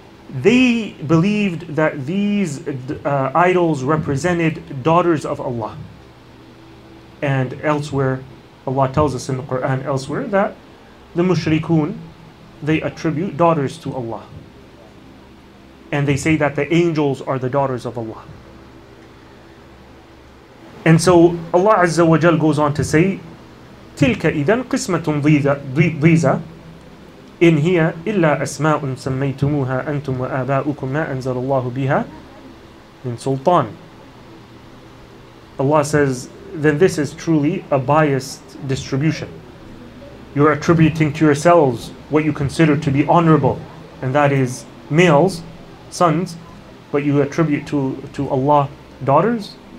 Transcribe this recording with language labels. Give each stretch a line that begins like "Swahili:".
English: They believed that these idols represented daughters of Allah. And elsewhere, Allah tells us in the Quran elsewhere that the mushrikun, they attribute daughters to Allah. And they say that the angels are the daughters of Allah. And so Allah Azza wa Jal goes on to say,
Arabic: تِلْكَ إِذَنْ قِسْمَةٌ ضِيزَ إِنْ هِيَ إِلَّا أَسْمَاءٌ سَمَّيْتُمُوهَا أَنْتُمْ وَآبَاؤُكُمْ مَا أَنْزَلَ اللَّهُ بِهَا مِنْ سُلْطَانٍ.
English: Allah says, then this is truly a biased distribution. You're attributing to yourselves what you consider to be honorable, and that is males, sons, but you attribute to Allah daughters.